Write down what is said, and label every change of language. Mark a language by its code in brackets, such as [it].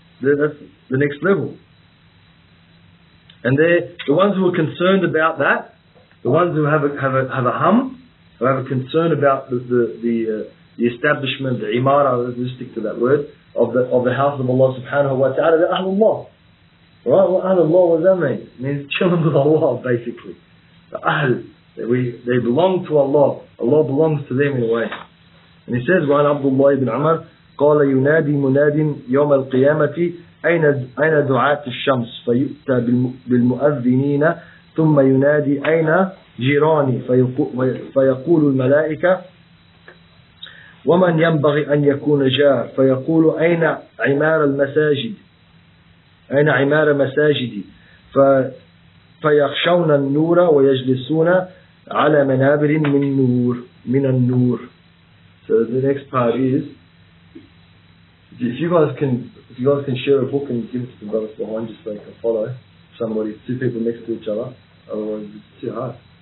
[en] That's the next level. And they're the ones who are concerned about that, the ones who have a hum, who have a concern about the establishment, the imara, let's stick to that word, of the house of Allah subhanahu wa ta'ala, the ahlullah. Right? Well, ahlullah, what does that mean? It means children of Allah, basically. The ahl, they belong to Allah. Allah belongs to them in a way. And he says, [ar] وَعَنْ عَبْدُ اللَّهِ بِنْ عَمَرْ قَالَ يُنَادِي مُنَادٍ يَوْمَ الْقِيَامَةِ أين دعاة الشمس فيؤتى بالمؤذنين ثم ينادي أين جيراني فيقول الملائكة ومن ينبغي أن يكون جار فيقول أين عمار المساجد أين عمار مساجدي فيخشون النور ويجلسون على منابر من النور. [en] So the next part is, if you guys can share a book and give it to the brothers behind you so they can follow somebody, two people next to each other, otherwise it's too hard.